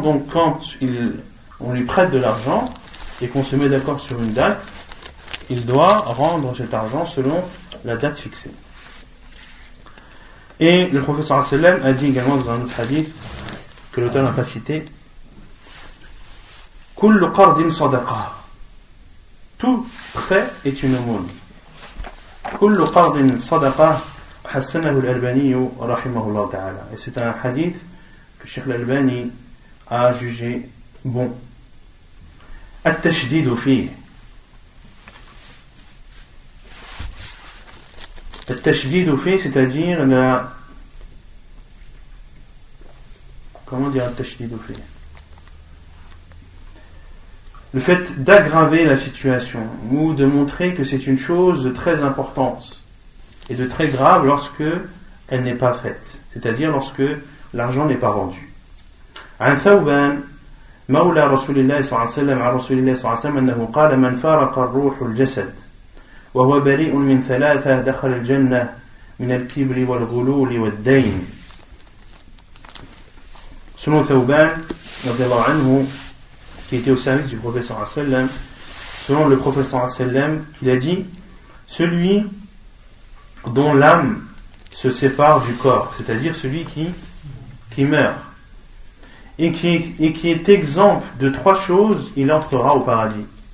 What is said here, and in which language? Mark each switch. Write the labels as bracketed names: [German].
[French] Donc quand on lui prête de l'argent et qu'on se met d'accord sur une date, il doit rendre cet argent selon la date fixée. Et le professeur Asselem a dit également dans un autre hadith que l'auteur n'a pas cité, [Arabic] Kullu qardin sadaqa, [French] tout prêt est une aumône. [Arabic] كل قرض صدقة حسنه الألباني رحمه الله تعالى. [French] C'est un hadith que Cheikh l'Albani a jugé bon. [Arabic] التشديد فيه. التشديد فيه, [French] c'est-à-dire la... Comment dire [Arabic] التشديد فيه? [French] Le fait d'aggraver la situation ou de montrer que c'est une chose très importante et de très grave lorsque elle n'est pas faite, c'est-à-dire lorsque l'argent n'est pas rendu. [Arabic] عن ثوبان مولى رسول الله صلى الله عليه وسلم عن رسول الله صلى الله عليه وسلم أنه قال من فارق الروح الجسد وهو بريء من ثلاثة دخل الجنة من الكبر والغلول والدين. سنو ثوبان رضي الله عنه [French] qui était au service du prophète [Arabic] sallallahu alayhi wa sallam, [French] selon le prophète sallallahu alayhi wa sallam, il a dit, celui dont l'âme se sépare du corps, c'est-à-dire celui qui meurt, et qui est exempt de trois choses, il entrera au paradis.